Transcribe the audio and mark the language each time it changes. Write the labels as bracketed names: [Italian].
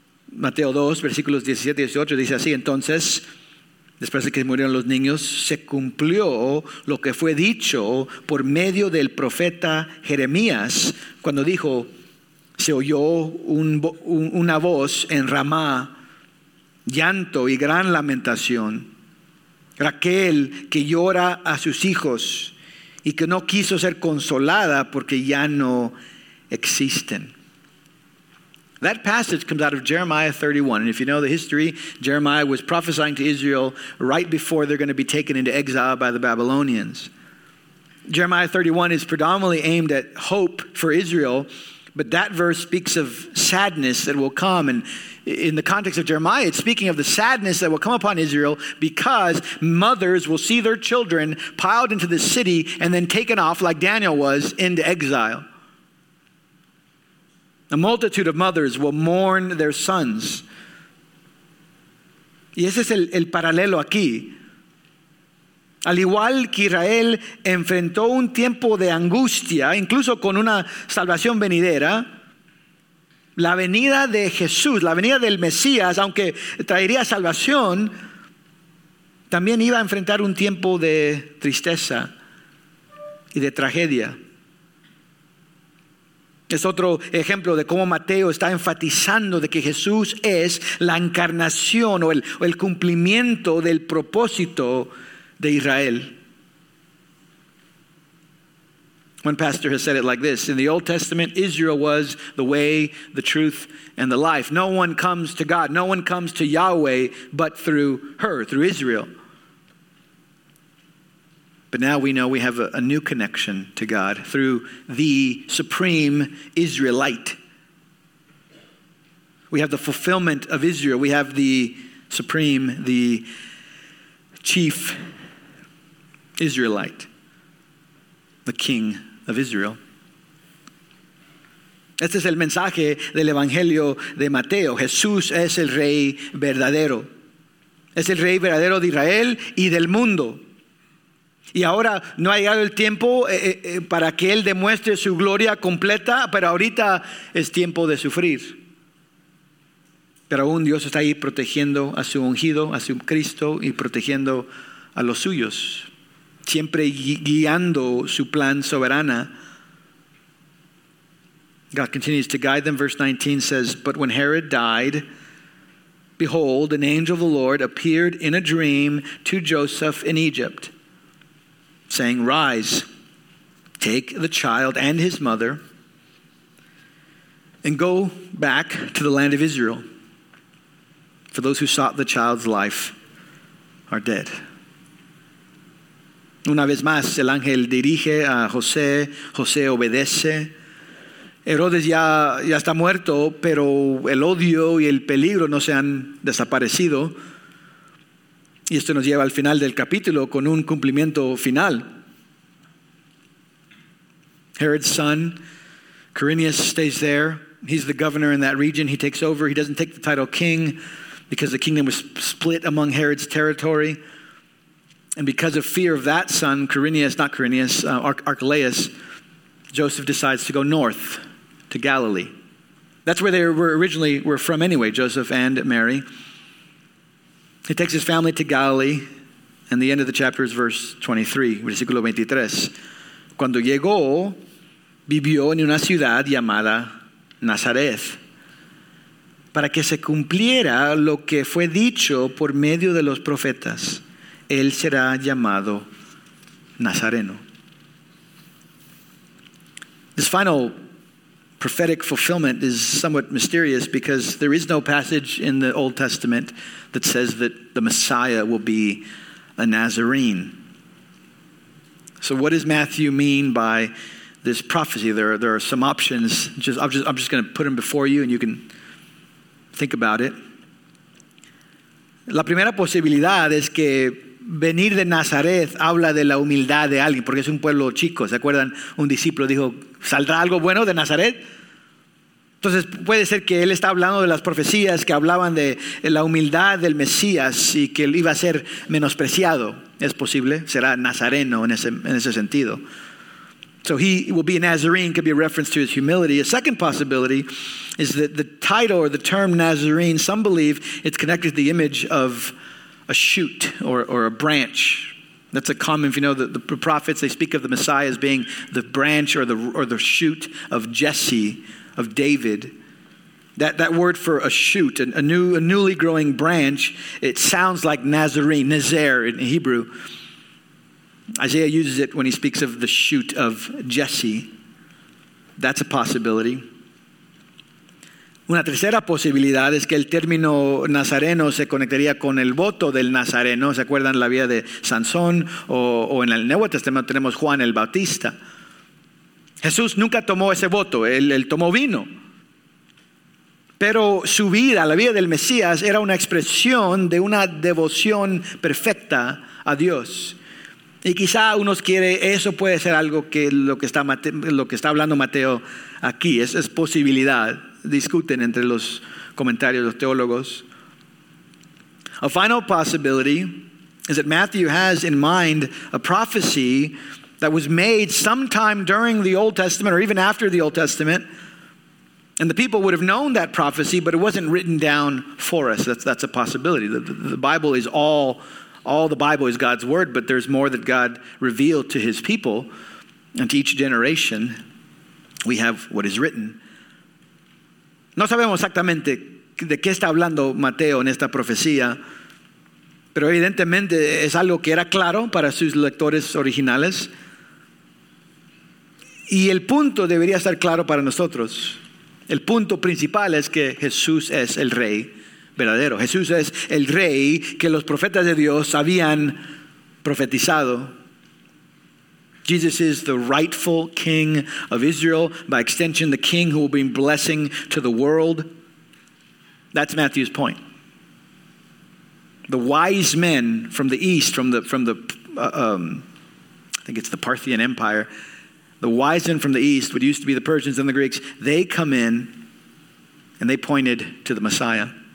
[Spanish] Mateo 2, versículos 17 y 18, dice así, entonces, después de que murieron los niños, se cumplió lo que fue dicho por medio del profeta Jeremías cuando dijo, se oyó una voz en Ramá, llanto y gran lamentación. Raquel que llora a sus hijos y que no quiso ser consolada porque ya no existen. [English] That passage comes out of Jeremiah 31. And if you know the history, Jeremiah was prophesying to Israel right before they're going to be taken into exile by the Babylonians. Jeremiah 31 is predominantly aimed at hope for Israel, but that verse speaks of sadness that will come. And in the context of Jeremiah, it's speaking of the sadness that will come upon Israel because mothers will see their children piled into the city and then taken off, like Daniel was, into exile. A multitude of mothers will mourn their sons. [Spanish] Y ese es el paralelo aquí. Al igual que Israel enfrentó un tiempo de angustia, incluso con una salvación venidera, la venida de Jesús, la venida del Mesías, aunque traería salvación, también iba a enfrentar un tiempo de tristeza y de tragedia. Es otro ejemplo de cómo Mateo está enfatizando de que Jesús es la encarnación o el cumplimiento del propósito de Israel. [English] One pastor has said it like this: in the Old Testament, Israel was the way, the truth, and the life. No one comes to God, no one comes to Yahweh but through her, through Israel. But now we know we have a new connection to God through the supreme Israelite. We have the fulfillment of Israel. We have the supreme, the chief Israelite, the King of Israel. [Spanish] Este es el mensaje del Evangelio de Mateo. Jesús es el Rey verdadero. Es el Rey verdadero de Israel y del mundo. Y ahora no ha llegado el tiempo para que Él demuestre su gloria completa, pero ahorita es tiempo de sufrir. Pero aún Dios está ahí protegiendo a su ungido, a su Cristo, y protegiendo a los suyos, siempre guiando su plan soberana. [English] God continues to guide them. Verse 19 says, but when Herod died, Behold, an angel of the Lord appeared in a dream to Joseph in Egypt, saying, rise, take the child and his mother, and go back to the land of Israel, for those who sought the child's life are dead. [Spanish] Una vez más, el ángel dirige a José, José obedece. Herodes ya está muerto, pero el odio y el peligro no se han desaparecido. Y esto nos lleva al final del capítulo con un cumplimiento final. [English] Herod's son, Quirinius, stays there. He's the governor in that region. He takes over. He doesn't take the title king because the kingdom was split among Herod's territory. And because of fear of that son, Archelaus, Joseph decides to go north to Galilee. That's where they were originally from anyway, Joseph and Mary. He takes his family to Galilee, and the end of the chapter is verse 23, [Spanish] versículo 23. Cuando llegó, vivió en una ciudad llamada Nazaret, para que se cumpliera lo que fue dicho por medio de los profetas. Él será llamado Nazareno. [English] This final prophetic fulfillment is somewhat mysterious because there is no passage in the Old Testament that says that the Messiah will be a Nazarene. So what does Matthew mean by this prophecy? There are some options. I'm just going to put them before you and you can think about it. [Spanish] La primera posibilidad es que venir de Nazaret habla de la humildad de alguien, porque es un pueblo chico. ¿Se acuerdan? Un discípulo dijo, ¿saldrá algo bueno de Nazaret? Entonces puede ser que él está hablando de las profecías que hablaban de la humildad del Mesías y que él iba a ser menospreciado. Es posible, será nazareno en ese sentido. [English] So he will be a Nazarene, could be a reference to his humility. A second possibility is that the title or the term Nazarene, some believe it's connected to the image of a shoot or a branch. That's a common, if you know, the prophets, they speak of the Messiah as being the branch or the shoot of Jesse, of David. That word for a shoot, a newly growing branch, it sounds like Nazarene, Nazer in Hebrew. Isaiah uses it when he speaks of the shoot of Jesse. That's a possibility. [Spanish] Una tercera posibilidad es que el término nazareno se conectaría con el voto del nazareno. ¿Se acuerdan la vida de Sansón? O en el Nuevo Testamento tenemos Juan el Bautista. Jesús nunca tomó ese voto, él tomó vino. Pero su vida, la vida del Mesías, era una expresión de una devoción perfecta a Dios. Y quizá unos quieren, eso puede ser algo que lo que está hablando Mateo aquí, es posibilidad. Discuten entre los comentarios de los teólogos. [English] A final possibility is that Matthew has in mind a prophecy that was made sometime during the Old Testament or even after the Old Testament. And the people would have known that prophecy, but it wasn't written down for us. That's a possibility. The Bible is all the Bible is God's word, but there's more that God revealed to his people. And to each generation, we have what is written. [Spanish] No sabemos exactamente de qué está hablando Mateo en esta profecía, pero evidentemente es algo que era claro para sus lectores originales. Y el punto debería estar claro para nosotros. El punto principal es que Jesús es el rey verdadero. Jesús es el rey que los profetas de Dios habían profetizado. [English] Jesus is the rightful king of Israel, by extension, the king who will bring blessing to the world. That's Matthew's point. The wise men from the east, I think it's the Parthian Empire, the wise men from the east, what used to be the Persians and the Greeks, they come in and they pointed to the Messiah.